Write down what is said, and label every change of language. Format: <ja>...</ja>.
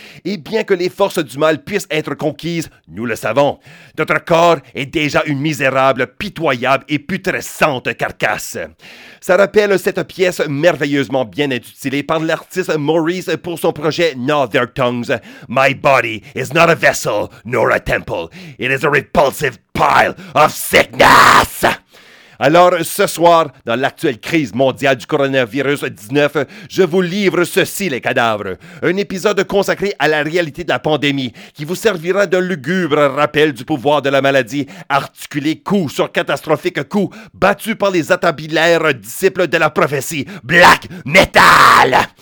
<fr>Et bien que les forces du mal puissent être conquises, nous le savons, notre corps est déjà une misérable, pitoyable et putrescente carcasse. Ça rappelle cette pièce merveilleusement bien intitulée par l'artiste Maurice pour son projet Northern Tongues.</fr> <en>My body is not a vessel nor a temple. It is a repulsive pile of sickness!</en> <fr>Alors, ce soir, dans l'actuelle crise mondiale du coronavirus 19, je vous livre ceci, les cadavres. Un épisode consacré à la réalité de la pandémie, qui vous servira de lugubre rappel du pouvoir de la maladie, articulé coup sur catastrophique coup, battu par les atabilaires disciples de la prophétie, Black Metal!</fr>